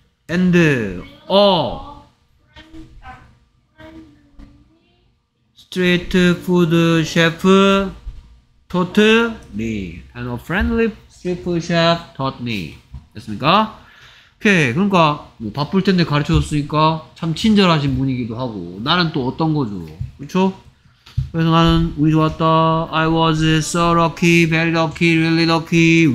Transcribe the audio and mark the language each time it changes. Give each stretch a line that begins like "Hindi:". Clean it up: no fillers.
English: and all street food chef taught me. and a friendly street food chef taught me.
Korean: 됐습니까? 오케이. 그러니까 뭐 바쁠 텐데 가르쳐줬으니까 참 친절하신 분이기도 하고 나는 또 어떤 거죠? 그렇죠? 그래서 나는 운이 좋았다.
English: I was so lucky, very lucky, really lucky.